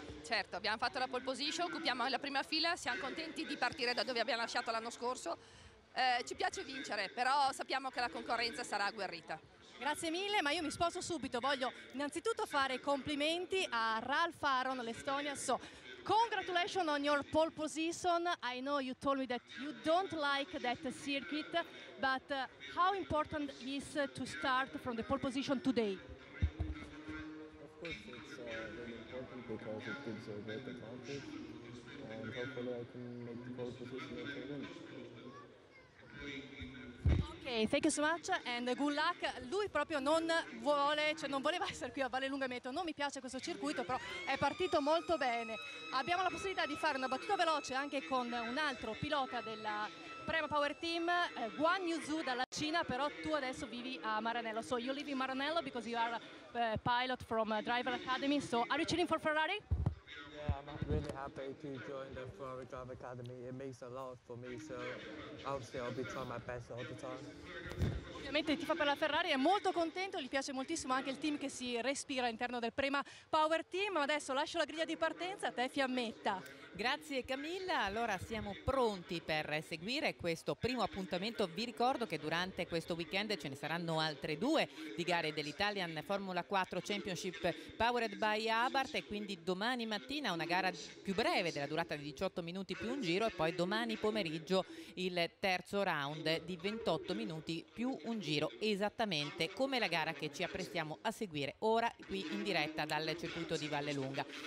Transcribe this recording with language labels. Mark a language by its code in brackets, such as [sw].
[it] Certo, abbiamo fatto la pole position, occupiamo la prima fila, siamo contenti di partire da dove abbiamo lasciato l'anno scorso. Ci piace vincere, però sappiamo che la concorrenza sarà agguerrita. Grazie mille, ma io mi sposto subito. Voglio innanzitutto fare complimenti a Ralf Aaron, l'Estonia. [en] So, congratulations on your pole position. I know you told me that you don't like that circuit, but how important is to start from the pole position today? Of course it's very important because it gives a great advantage. And hopefully I can make the pole position and win. Okay, thank you so much and good luck. [it] Lui proprio non vuole, cioè non voleva essere qui a Vallelunga, mi ha detto non mi piace questo circuito, però è partito molto bene. Abbiamo la possibilità di fare una battuta veloce anche con un altro pilota della Prema Power Team, Guan Yuzhu dalla Cina, però tu adesso vivi a Maranello. [en] So you live in Maranello because you are a pilot from Driver Academy. So are you cheering for Ferrari? Yeah, I'm really happy to join the Ferrari Driver Academy. It means a lot for me, so obviously I'll be trying my best all the time. [it] Ovviamente tifa per la Ferrari, è molto contento, gli piace moltissimo anche il team che si respira all'interno del Prema Power Team. Adesso lascio la griglia di partenza a te Fiammetta. Grazie Camilla, allora siamo pronti per seguire questo primo appuntamento. Vi ricordo che durante questo weekend ce ne saranno altre 2 di gare dell'Italian Formula 4 Championship powered by Abarth e quindi domani mattina una gara più breve della durata di 18 minuti più un giro e poi domani pomeriggio il terzo round di 28 minuti più un giro, esattamente come la gara che ci apprestiamo a seguire ora qui in diretta dal circuito di Vallelunga.